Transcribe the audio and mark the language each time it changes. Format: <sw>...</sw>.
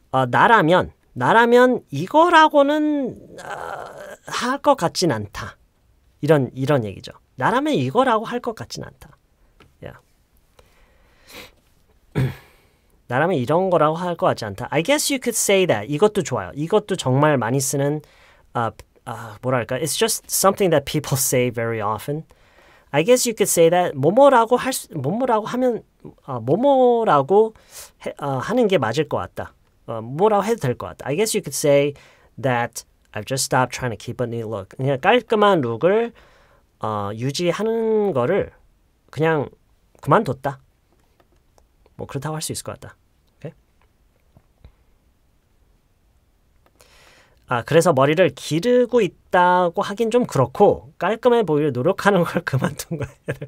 <ko>나라면 이거라고는 할 것 같진 않다. 이런 얘기죠. 나라면 이거라고 할 것 같진 않다.</ko> <en>Yeah.</en> <ko>나라면 이런 거라고 할 것 같지 않다.</ko> <en>I guess you could say that.</en> <ko>이것도 좋아요. 이것도 정말 많이 쓰는 뭐랄까.</ko> <en>It's just something that people say very often. I guess you could say that</en> <ko>하는 게 맞을 것 같다. 뭐라고 해도 될 것 같다.</ko> <en>I guess you could say that I've just stopped trying to keep a neat look.</en> <ko>그냥 깔끔한 룩을 유지하는 거를 그냥 그만뒀다. 뭐 그렇다고 할 수 있을 것 같다.</ko> <en>Okay?</en> <ko>그래서 머리를 기르고 있다고 하긴 좀 그렇고 깔끔해 보이려 노력하는 걸 그만둔 거예요.</ko>